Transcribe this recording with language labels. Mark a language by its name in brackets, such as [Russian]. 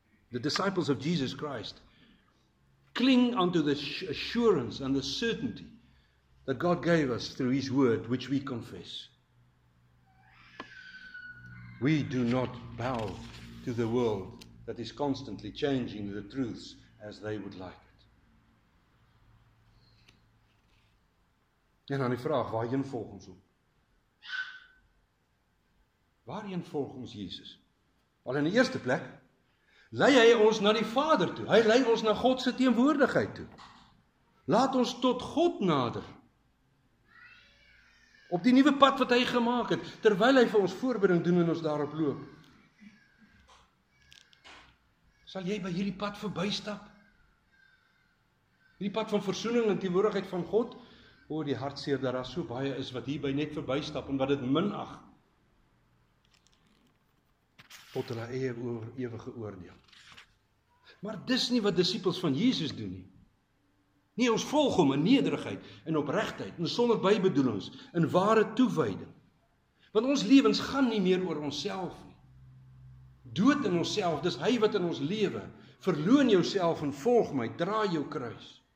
[English] The disciples of Jesus Christ cling unto the assurance and the certainty that God gave us through his word, which we confess. We do not bow to the world that is constantly changing the truths as they would like it. [Afrikaans] En dan die vraag, waarheen volg ons hom? Waarheen volg ons Jesus? Al in die eerste plek, lei hy ons na die Vader toe. Hy lei ons na God se teenwoordigheid toe. Laat ons tot God nader. Op die nuwe pad wat hy gemaak het, terwyl hy vir ons voorbereiding doen en ons daarop loop. Sal jy by hierdie pad verbystap? Hierdie pad van versoening en teenwoordigheid van God, oor die hartseer dat daar so baie is wat hierby net verbystap en wat dit minag. Tot hulle eie ewige oordeel. Maar dis nie wat disippels van Jesus doen nie. Nee, ons volg hom in nederigheid en opregtheid en sonder bybedoelings en ware toewyding. Want ons lewens gaan nie meer oor onsself nie. Dood in onsself, dis hy wat in ons lewe. Verloon jouself en volg my, dra jou kruis.